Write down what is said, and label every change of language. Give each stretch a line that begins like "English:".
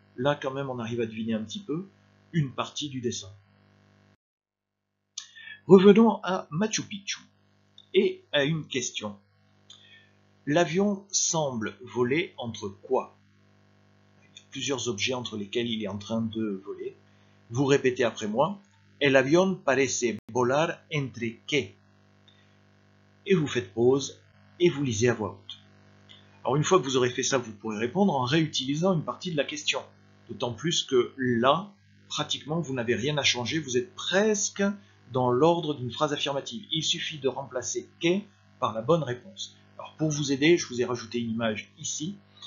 French: Là, quand même, on arrive à deviner un petit peu une partie du dessin. Revenons à Machu Picchu et à une question. L'avion semble voler entre quoi? Il y a plusieurs objets entre lesquels il est en train de voler. Vous répétez après moi.
Spanish: El avión parece volar entre qué?
French: Et vous faites pause et vous lisez à voix haute. Alors une fois que vous aurez fait ça, vous pourrez répondre en réutilisant une partie de la question. D'autant plus que là, pratiquement, vous n'avez rien à changer. Vous êtes presque dans l'ordre d'une phrase affirmative. Il suffit de remplacer qué par la bonne réponse. Alors pour vous aider, je vous ai rajouté une image ici.